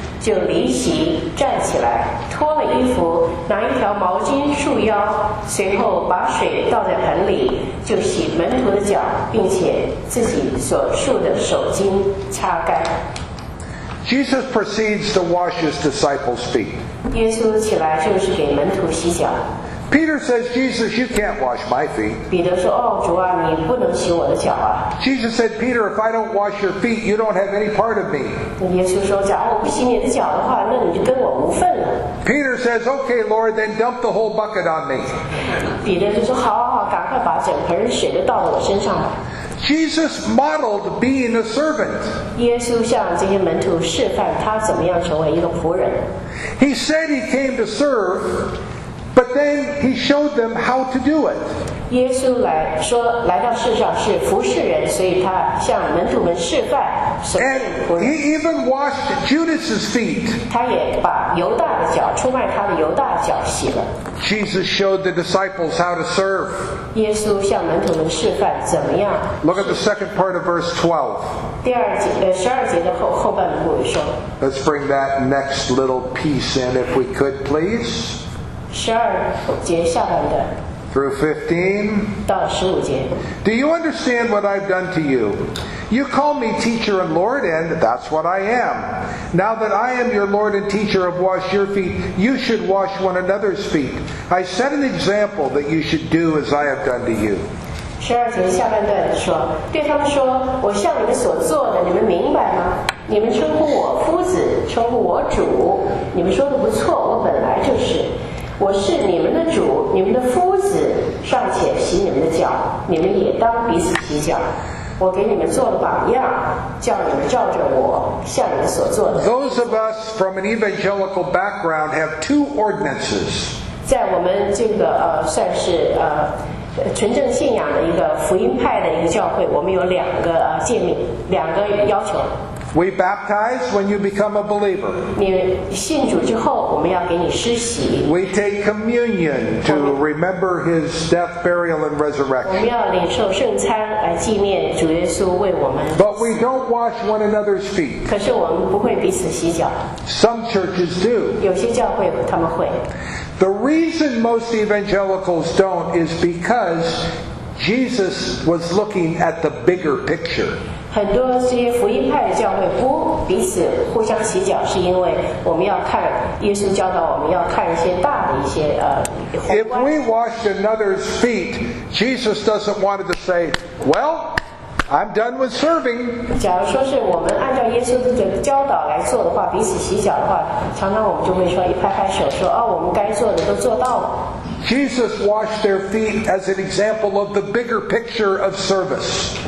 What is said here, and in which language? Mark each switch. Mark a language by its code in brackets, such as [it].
[zh] 就离席站起来，脱了衣服，拿一条毛巾束腰，随后把水倒在盆里，就洗门徒的脚，并且自己所束的手巾擦干。 [en] Jesus proceeds to wash his disciples' feet. [zh] 耶稣起来就是给门徒洗脚。 [en] Peter says, Jesus, you can't wash my feet. [zh] 彼得说，哦，主啊，你不能洗我的脚啊。 [en] Jesus said, Peter, if I don't wash your feet, you don't have any part of me. [zh] 耶稣说，假如我不洗你的脚的话，那你就跟我无份了。 [en] Peter says, okay, Lord, then dump the whole bucket on me. [zh] 彼得就说，好好好，赶快把整盆水都倒到我身上吧。 [en] Jesus modeled being a servant. [zh] 耶稣向这些门徒示范他怎么样成为一个仆人。 [en] He said he came to serve, but then he showed them how to do it. [zh] 耶稣来说来到世上是服侍人，所以他向门徒们示范什么是仆人。 [en] And he even washed Judas's feet. [zh] 他也把犹大的脚，出卖他的犹大的脚洗了。 [en] Jesus showed the disciples how to serve. Look at the second part of verse 12. [zh] 第二节，十二节的后，后半部说。 [en] Let's bring that next little piece in if we could, please. [zh] 十二节下半段。 [en] Through 15. [zh] 到十五节。 [en] Do you understand what I've done to you? You call me teacher and Lord, and that's what I am. Now that I am your Lord and teacher, have washed your feet, you should wash one another's feet. I set an example that you should do as I have done to you. [zh] 十二节下半段说，对他们说，我向你们所做的，你们明白吗？你们称呼我夫子，称呼我主，你们说的不错，我本来就是。我是你们的主，你们的夫子，尚且洗你们的脚，你们也当彼此洗脚。我给你们做了榜样，叫你们照着我向你们所做的。 [en] Those of us from an evangelical background have two ordinances. [zh] 在我们这个算是纯正信仰的一个福音派的一个教会，我们有两个诫命，两个要求。 [en] We baptize when you become a believer. [zh] 你信主之后，我们要给你施洗。 [en] We take communion to remember His death, burial, and resurrection. [zh] 我们要领受圣餐来纪念主耶稣为我们。 [en] But we don't wash one another's feet. [zh] 可是我们不会彼此洗脚。 [en] Some churches do. [zh] 有些教会他们会。 [en] The reason most evangelicals don't is because Jesus was looking at the bigger picture. [zh] 很多这些福音派的教会不彼此互相洗脚，是因为我们要看耶稣教导我们要看一些大的一些 [en] If we washed another's feet, Jesus doesn't want to say, "Well, I'm done with serving." [zh] 假如说是我们按照耶稣的教导来做的话，彼此洗脚的话，常常我们就会说一拍拍手说，哦，我们该做的都做到了。 [en] Jesus washed their feet as an example of the bigger picture of service.